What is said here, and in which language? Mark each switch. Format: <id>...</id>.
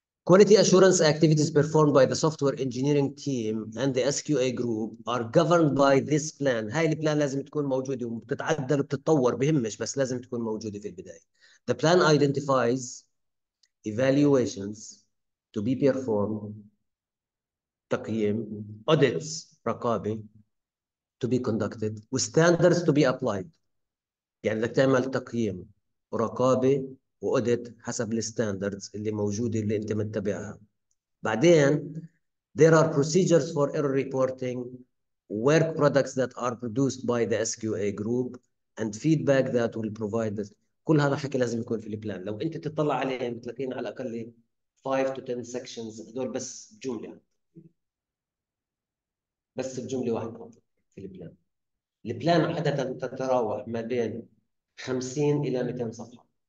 <en>Quality assurance activities performed by the software engineering team and the SQA group are governed by this plan.</en> <ar>هاي البلان لازم تكون موجودة وبتتعدل وبتتطور، بهمش بس لازم تكون موجودة في البداية.</ar> <en>The plan identifies evaluations to be performed,</en> <ar>تقييم،</ar> <en>audits،</en> <ar>رقابة،</ar> <en>to be conducted, وstandards to be applied.</en> <ar>يعني لك تعمل تقييم ورقابة وأوديت حسب الستاندردز اللي موجودة اللي أنت متبعها. بعدين</ar> <en>there are procedures for error reporting, work products that are produced by the SQA group, and feedback that will provide this.</en> <ar>كل هذا الحكي لازم يكون في البلان. لو انت تطلع عليه بتلاقين على الاقل</ar> <en>5 to 10 sections،</en> <ar>دول بس جمله، بس بجمله واحده في البلان. البلان عاده تتراوح ما بين 50 الى 200 صفحه.</ar>